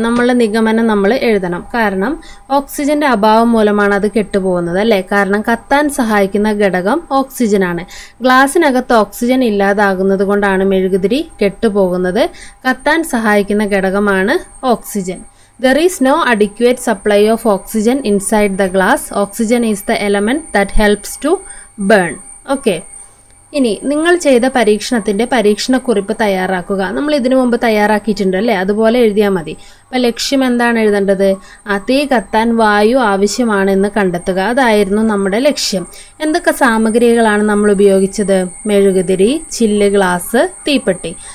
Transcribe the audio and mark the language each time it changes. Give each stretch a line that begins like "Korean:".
Malayalam: നമ്മളുടെ നിഗമനം നമ്മൾ എഴുതണം. കാരണം ഓക്സിജൻ്റെ അഭാവം മൂലമാണ് അത് കെട്ടുപോകുന്നത് അല്ലേ. കാരണം കത്താൻ സഹായിക്കുന്ന ഘടകം ഓക്സിജനാണ്. ഗ്ലാസിനകത്ത് ഓക്സിജൻ ഇല്ലാതാകുന്നത് കൊണ്ടാണ് മെഴുകുതിരി കെട്ടുപോകുന്നത്. കത്താൻ സഹായിക്കുന്ന ഘടകമാണ് oxygen.
English: There is no adequate supply of oxygen inside the glass. Oxygen is the element that helps to burn. Okay.
Malayalam: ഇനി നിങ്ങൾ ചെയ്ത പരീക്ഷണത്തിൻ്റെ പരീക്ഷണക്കുറിപ്പ് തയ്യാറാക്കുക. നമ്മൾ ഇതിനു മുമ്പ് തയ്യാറാക്കിയിട്ടുണ്ട് അല്ലേ, അതുപോലെ എഴുതിയാൽ മതി. അപ്പോൾ ലക്ഷ്യം എന്താണ് എഴുതേണ്ടത്? തീ കത്താൻ വായു ആവശ്യമാണെന്ന് കണ്ടെത്തുക, അതായിരുന്നു നമ്മുടെ ലക്ഷ്യം. എന്തൊക്കെ സാമഗ്രികളാണ് നമ്മൾ ഉപയോഗിച്ചത്? മെഴുകുതിരി, ചില്ല് ഗ്ലാസ്, തീപ്പെട്ടി.